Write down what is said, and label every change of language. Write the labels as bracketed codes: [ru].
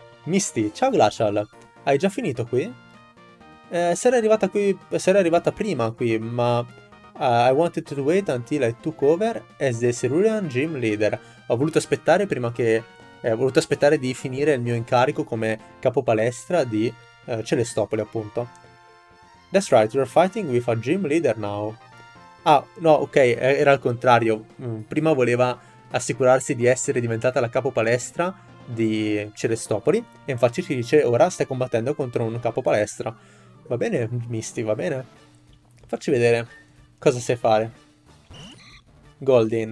[it] Misty, ciao Glacial, hai già finito qui? Sarei arrivata prima qui, ma [en] I wanted to wait until I took over as the Cerulean Gym Leader. [it] Ho voluto aspettare di finire il mio incarico come capo palestra di Celestopoli, appunto. [en] That's right, you're fighting with a gym leader now. [it] Ah, no, ok, era al contrario. Prima voleva assicurarsi di essere diventata la capo palestra di Celestopoli. E infatti ci dice, ora stai combattendo contro un capo palestra. Va bene, Misty, va bene. Facci vedere cosa sai fare. Goldin.